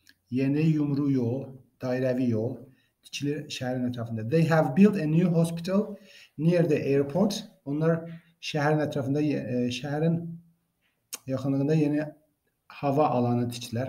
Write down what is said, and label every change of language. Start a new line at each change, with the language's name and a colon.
Azerbaijani: Yeni yumru yol, dairevi yol tikilir şəhərin ətrafında.
English: They have built a new hospital near the airport.
Azerbaijani: Onlar şəhərin ətrafında, şəhərin yaxınlığında yeni hava alanı tikdilər.